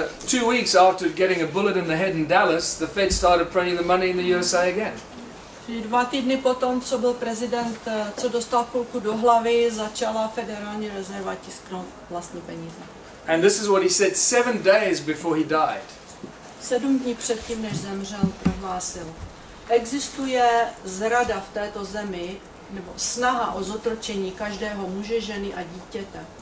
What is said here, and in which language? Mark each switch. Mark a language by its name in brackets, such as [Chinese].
[English] Two weeks after getting a bullet in the head in Dallas, the Fed started printing the money in the USA again. [Czech] Dva týdny potom, co byl prezident, co dostal kulku do hlavy, začala federální rezerva tisknout vlastní peníze. [English] And this is what he said 7 days before he died. [Czech] 7 dní předtím, než zemřel, prohlásil. Existuje zrada v této zemi, nebo snaha o zotročení každého muže, ženy a dítěte.